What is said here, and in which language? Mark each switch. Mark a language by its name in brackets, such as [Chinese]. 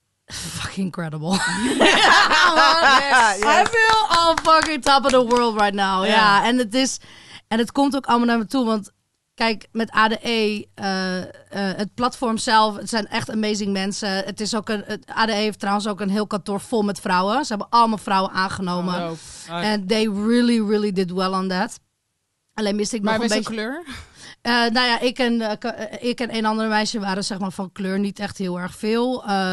[English] Fucking incredible. Yeah, yes. I feel all fucking top of the world right now. Ja, yeah. [Dutch] En het is, en het komt ook allemaal naar me toe, want kijk, met ADE, het platform zelf, het zijn echt amazing mensen. Het is ook ADE heeft trouwens ook een heel kantoor vol met vrouwen. Ze hebben allemaal vrouwen aangenomen. Oh, [English] no. And they really, really did well on that. [Dutch] Alleen miste ik maar nog een beetje... Maar met kleur? Nou ja, ik en een andere meisje waren zeg maar van kleur niet echt heel erg veel.